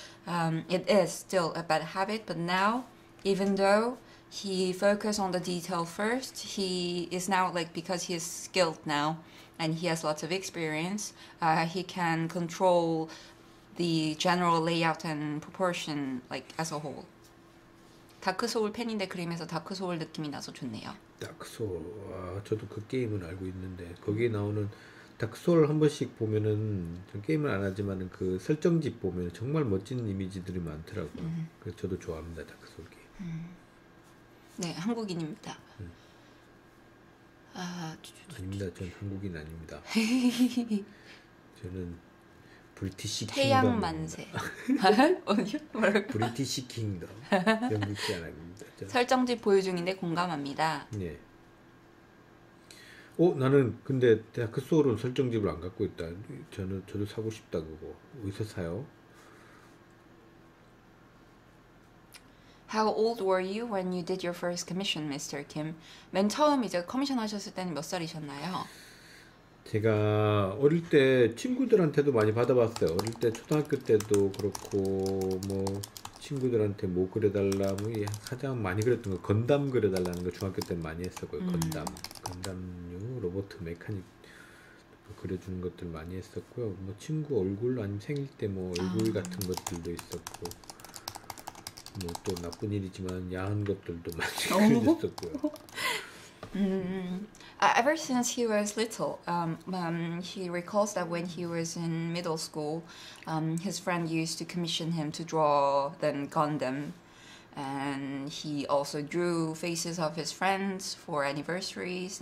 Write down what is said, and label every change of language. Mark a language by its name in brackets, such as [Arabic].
[English] It is still a bad habit, but now, even though he focused on the detail first, he is now, like, because he is skilled now and he has lots of experience, he can control the general layout and proportion, like, as a whole. [Korean] 다크소울 팬인데 그림에서 다크소울 느낌이 나서 좋네요. 다크소울, 아, 저도 그 게임은 알고 있는데 거기에 나오는 다크소울 한 번씩 보면은, 좀 게임을 안 하지만 그 설정집 보면 정말 멋진 이미지들이 많더라고요. 그래서 저도 좋아합니다, 다크소울 게임. 네, 한국인입니다. 아, 아닙니다. 전 한국인 아닙니다. 저는 브리티시 태양만세. 어디요? 브리티시 킹덤. 영국지 아닙니다. 설정집 보유 중인데 공감합니다. 네. 오, 나는 근데 다크소울은 설정집을 안 갖고 있다. 저도 사고 싶다 그거. 어디서 사요? [English] How old were you when you did your first commission, Mr. Kim? [Korean] 맨 처음 이제 커미션 하셨을 때는 몇 살이셨나요? 제가 어릴 때 친구들한테도 많이 받아봤어요. 어릴 때 초등학교 때도 그렇고 뭐 친구들한테 뭐 그려달라 뭐 가장 많이 그렸던 거 건담 그려달라는 거 중학교 때 많이 했었고요. 건담, 건담용 로봇 메카닉 그려주는 것들 많이 했었고요. 뭐 친구 얼굴 아니면 생일 때 뭐 얼굴 같은 것들도 있었고. 뭐 또 나쁜 일이지만 야한 것들도 많이 그렸었고요. [English] Ever since he was little, he recalls that when he was in middle school, his friend used to commission him to draw the Gundam, and he also drew faces of his friends for anniversaries.